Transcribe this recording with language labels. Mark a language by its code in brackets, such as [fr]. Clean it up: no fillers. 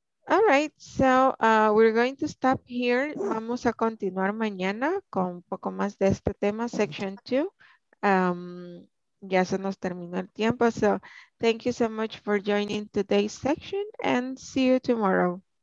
[en] All right, so we're going to stop here. [es] Vamos a continuar mañana con un poco más de este tema, section 2. Ya se nos terminó el tiempo. [en] So, thank you so much for joining today's section and see you tomorrow.